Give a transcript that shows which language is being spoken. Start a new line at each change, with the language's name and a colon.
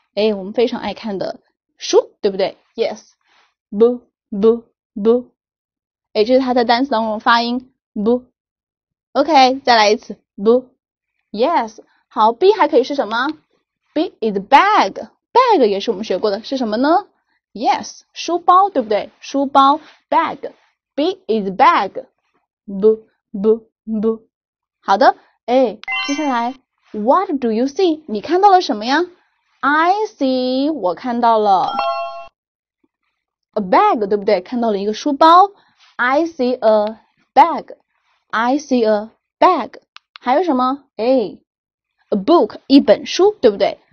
Chinese: 哎，我们非常爱看的书，对不对？Yes，b，b，b。哎，这是它在单词当中的发音，b。
English: OK，
Chinese: 再来一次。
English: Blue。 Yes。
Chinese: 好，B 还可以是什么？
English: B is bag。
Chinese: bag 也是我们学过的，是什么呢？Yes，书包，对不对？书包 bag。
English: B is bag。
Chinese: Boo boo boo。好的，哎，接下来
English: What do you see？
Chinese: 你看到了什么呀？I see，我看到了 a bag，对不对？看到了一个书包。
English: I see a bag。 I see a bag。
Chinese: 还有什么？哎，a book，一本书，对不对？